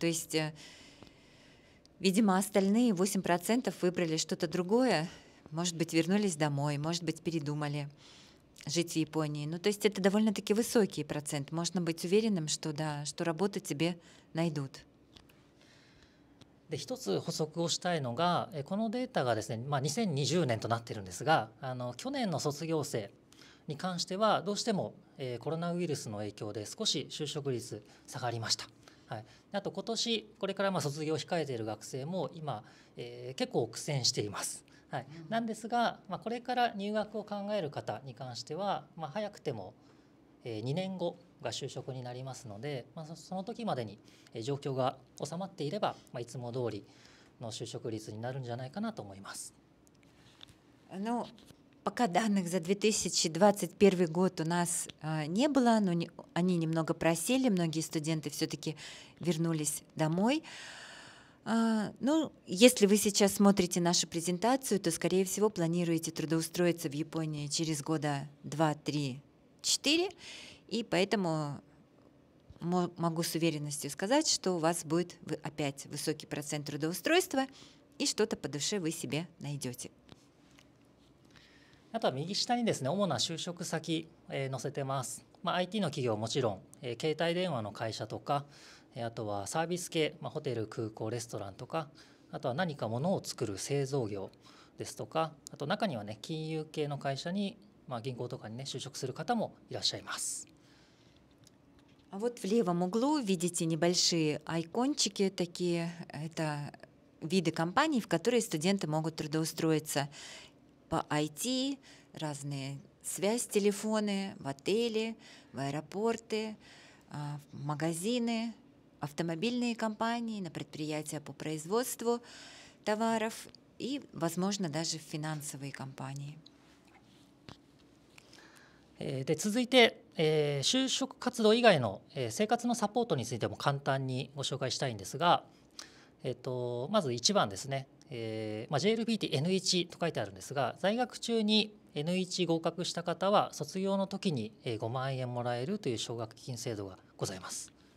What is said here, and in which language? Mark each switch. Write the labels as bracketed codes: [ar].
[ru] То есть видимо, остальные 8% выбрали что-то другое. Может быть, вернулись домой, может быть, передумали жить в Японии. Ну, то есть это довольно-таки высокий процент. Можно быть уверенным, что да, что работу тебе найдут. [ja] で、一つ補足をしたいのが、このデータがですね、まあ、2020年となってるんですが、去年の卒業生に関してはどうしても、コロナウイルスの影響で少し就職率下がりました。はい、あと今年これからまあ卒業を控えている学生も今、結構苦戦しています。はい、なんですが、まあ、これから入学を考える方に関しては、まあ、早くても、2年後が就職になりますので、まあ、その時までに状況が収まっていれば、まあ、いつも通りの就職率になるんじゃないかなと思います。あの [ru] пока данных за 2021 год у нас не было, но они немного просели, многие студенты все-таки вернулись домой. Ну, если вы сейчас смотрите нашу презентацию, то, скорее всего, планируете трудоустроиться в Японии через года 2-3-4, и поэтому могу с уверенностью сказать, что у вас будет опять высокий процент трудоустройства, и что-то по душе вы себе найдете. [ja] あとは右下にですね、主な就職先、載せてます。まあ、IT の企業もちろん、携帯電話の会社とか、あとはサービス系、まあ、ホテル、空港、レストランとか、あとは何か物を作る製造業ですとか、あと中にはね、金融系の会社に、まあ、銀行とかにね、就職する方もいらっしゃいます。 [ru] А вот в левом углу видите небольшие айкончики такие, это виды компаний, в которые студенты могут трудоустроиться. По IT, разные связь, телефоны, в отели, в аэропорты, в магазины, автомобильные компании, на предприятия по производству товаров и, возможно, даже финансовые компании. [ja] で、続いて、就職活動以外の、生活のサポートについても簡単にご紹介したいんですが、まず1番ですね。まあ、JLPT N1 と書いてあるんですが、在学中に N1 合格した方は卒業の時に5万円もらえるという奨学金制度がございます。